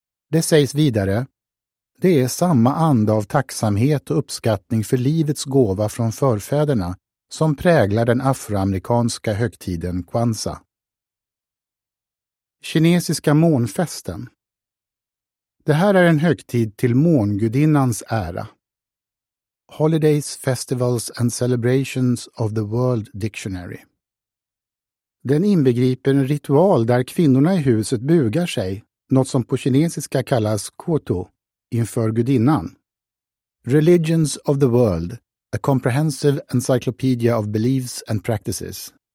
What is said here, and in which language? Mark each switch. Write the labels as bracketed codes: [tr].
[sv] Det sägs vidare: det är samma anda av tacksamhet och uppskattning för livets gåva från förfäderna som präglar den afroamerikanska högtiden Kwanza. Kinesiska månfesten. Det här är en högtid till mångudinnans ära. [en] Holidays, Festivals and Celebrations of the World Dictionary. [sv] Den inbegriper en ritual där kvinnorna i huset bugar sig, något som på kinesiska kallas koto, inför gudinnan. [en] Religions of the World, A Comprehensive Encyclopedia of Beliefs and Practices.